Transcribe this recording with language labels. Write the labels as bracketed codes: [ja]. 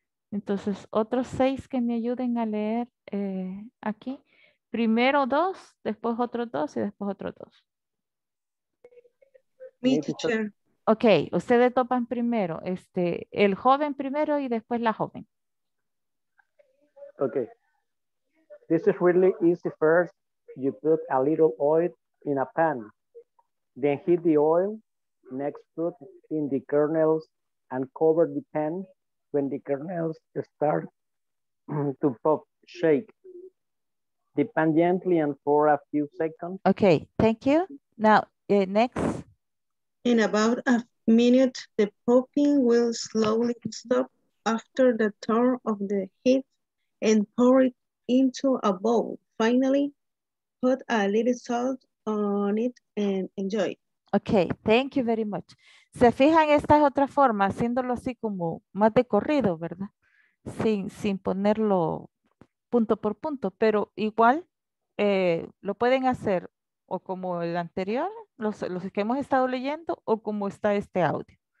[es] Entonces, otros 6 que me ayuden a leer aquí, primero 2, después otros 2 y después otros 2. [en] Me, teacher. [es] Ok, ustedes topan primero, el joven primero y después la joven. [en] Ok. This is really easy. First, you put a little oil in a pan. Then heat the oil. Next, put in the kernels and cover the pan. When the kernels start to pop, shake the pan gently and for a few seconds. Ok, thank you. Now, next. In about a minute, the popping will slowly stop after the turn of the heat and pour it into a bowl. Finally, put a little salt on it and enjoy. Okay, thank you very much. [es] Se fijan, esta es otra forma, haciéndolo así como más de corrido, ¿verdad? Sin ponerlo punto por punto, pero igual lo pueden hacer o como el anterior. Los que hemos estado leyendo o cómo está este audio.